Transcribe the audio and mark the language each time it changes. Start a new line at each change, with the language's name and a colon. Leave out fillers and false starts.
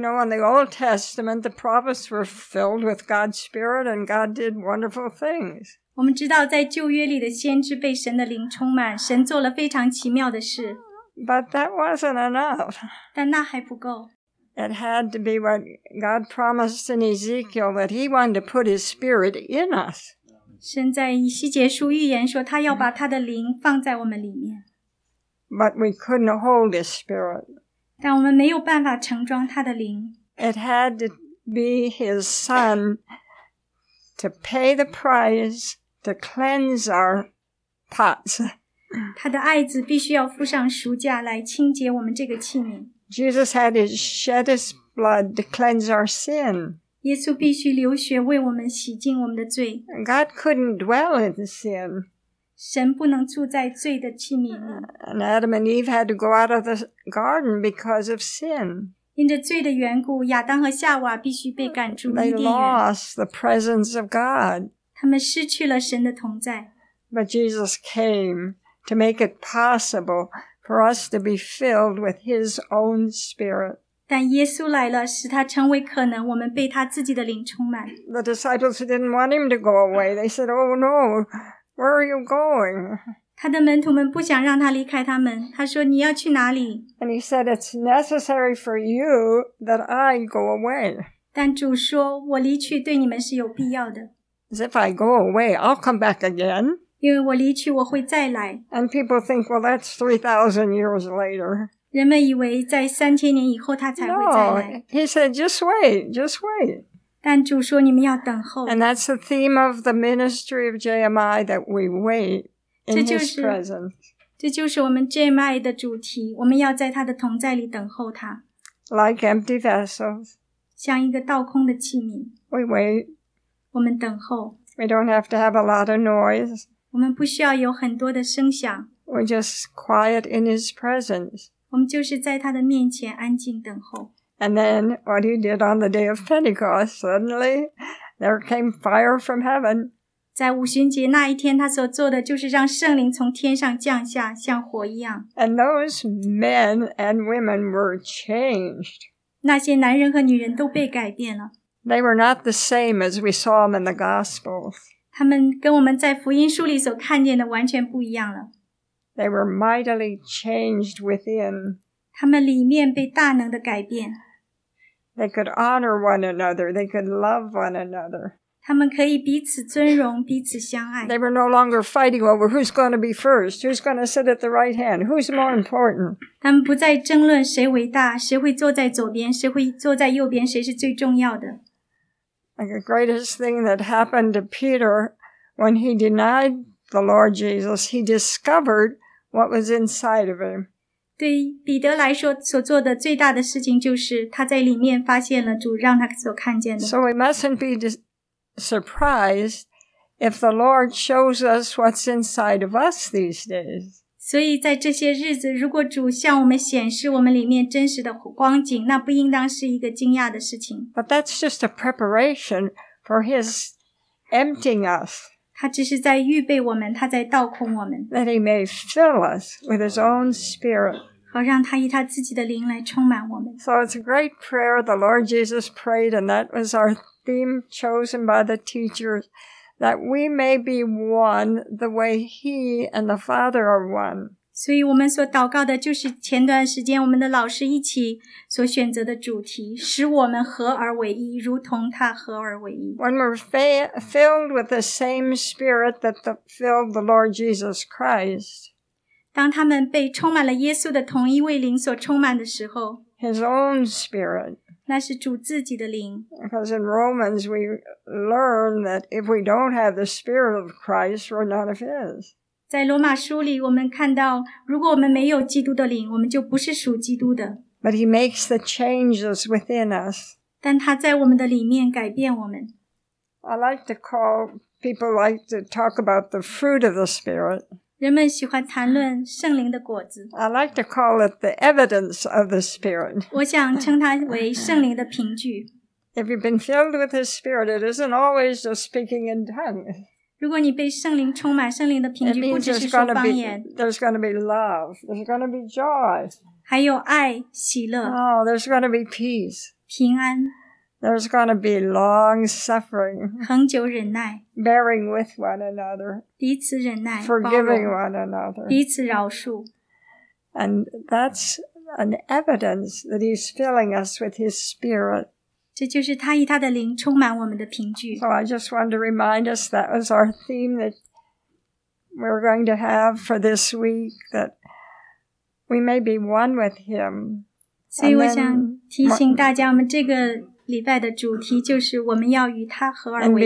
English: know, in the Old Testament, the prophets were filled with God's Spirit, and God did wonderful things.
Chinese: 我们知道在旧约里的先知被神的灵充满，神做了非常奇妙的事。
English: But that wasn't enough.
Chinese: 但那还不够。
English: It had to be what God promised in Ezekiel, that he wanted to put his spirit in us.
Chinese: 神在以西结书预言说，他要把他的灵放在我们里面。
English: But we couldn't hold his spirit.
Chinese: 但我们没有办法盛装他的灵。
English: It had to be his son, to pay the price, to cleanse our pots.
Chinese: 他的爱子必须要付上赎价来清洁我们这个器皿。
English: Jesus had to shed his blood to cleanse our sin.
Chinese: 耶稣必须流血为我们洗净我们的罪。
English: God couldn't dwell in sin.
Chinese: 神不能住在罪的器皿里。
English: And Adam and Eve had to go out of the garden because of sin.
Chinese: 因着罪的缘故，亚当和夏娃必须被赶出伊甸园。
English: They lost the presence of God.
Chinese: 他们失去了神的同在。
English: But Jesus came to make it possible for us to be filled with his own spirit.
Chinese: 但耶稣来了，使他成为可能，我们被他自己的灵充满。
English: The disciples didn't want him to go away. They said, oh no, where are you going?
Chinese: 他的门徒们不想让他离开他们。他说，你要去哪里？
English: And he said, it's necessary for you that I go away.
Chinese: 但主说，我离去对你们是有必要的。
English: As if I go away, I'll come back again.
Chinese: 因为我离去，我会再来。
English: And people think, well, that's 3,000 years later.
Chinese: 人们以为在三千年以后他才会再来。
English: No, he said, just wait, just wait.
Chinese: 但主说你们要等候。
English: And that's the theme of the ministry of JMI, that we wait in his presence.
Chinese: 这就是我们 JMI 的主题，我们要在他的同在里等候他。
English: Like empty vessels.
Chinese: 像一个倒空的器皿。
English: We wait.
Chinese: 我们等候。
English: We don't have to have a lot of noise.
Chinese: 我们不需要有很多的声响。
English: We're just quiet in his presence.
Chinese: 我们就是在他的面前安静等候。
English: And then what he did on the day of Pentecost, suddenly there came fire from heaven.
Chinese: 在五旬节那一天，他所做的就是让圣灵从天上降下，像火一样。
English: And those men and women were changed.
Chinese: 那些男人和女人都被改变了。
English: They were not the same as we saw them in the Gospels.
Chinese: 他们跟我们在福音书里所看见的完全不一样了。
English: They were mightily changed within.
Chinese: 他们里面被大能的改变。
English: They could honor one another. They could love one another.
Chinese: 他们可以彼此尊荣，彼此相爱。
English: They were no longer fighting over who's going to be first, who's going to sit at the right hand, who's more important.
Chinese: 他们不再争论谁伟大，谁会坐在左边，谁会坐在右边，谁是最重要的。
English: Like the greatest thing that happened to Peter when he denied the Lord Jesus, he discovered what was inside of him.
Chinese: 对于彼得来说，所做的最大的事情就是他在里面发现了主让他所看见的。
English: So we mustn't be surprised if the Lord shows us what's inside of us these days.
Chinese: 所以在这些日子，如果主向我们显示我们里面真实的光景，那不应当是一个惊讶的事情。
English: But that's just a preparation for his emptying us.
Chinese: 他只是在预备我们，他在倒空我们。
English: That he may fill us with his own spirit.
Chinese: 好让他以他自己的灵来充满我们。
English: So it's a great prayer the Lord Jesus prayed, and that was our theme chosen by the teachers, that we may be one the way he and the Father are one.
Chinese: 所以我们所祷告的就是前段时间我们的老师一起所选择的主题，使我们合而为一，如同他合而为一。
English: When we're filled with the same spirit that filled the Lord Jesus Christ,
Chinese: 当他们被充满了耶稣的同一位灵所充满的时候，
English: his own spirit,
Chinese: 那是主自己的灵。
English: Because in Romans we learn that if we don't have the spirit of Christ, we're not of his.
Chinese: 在罗马书里我们看到，如果我们没有基督的灵，我们就不是属基督的。
English: But he makes the changes within us.
Chinese: 但他在我们的里面改变我们。
English: I like to call, people like to talk about the fruit of the Spirit.
Chinese: 人们喜欢谈论圣灵的果子。
English: I like to call it the evidence of the Spirit.
Chinese: 我想称它为圣灵的凭据。
English: If you've been filled with His Spirit, it isn't always just speaking in tongues.
Chinese: 如果你被圣灵充满，圣灵的凭据不只是说方言。
English: There's going to be love. There's going to be joy.
Chinese: 还有爱，喜乐。
English: Oh, there's going to be peace.
Chinese: 平安。
English: There's going to be long suffering.
Chinese: 恒久忍耐。
English: Bearing with one another.
Chinese: 彼此忍耐。
English: Forgiving one another.
Chinese: 彼此饶恕。
English: And that's an evidence that He's filling us with His Spirit.
Chinese: 这就是他以他的灵充满我们的凭据。
English: So I just want to remind us that was our theme that we're going to have for this week, that we may be one with Him.
Chinese: 所以我想提醒大家，我们这个礼拜的主题就是我们要与他合而为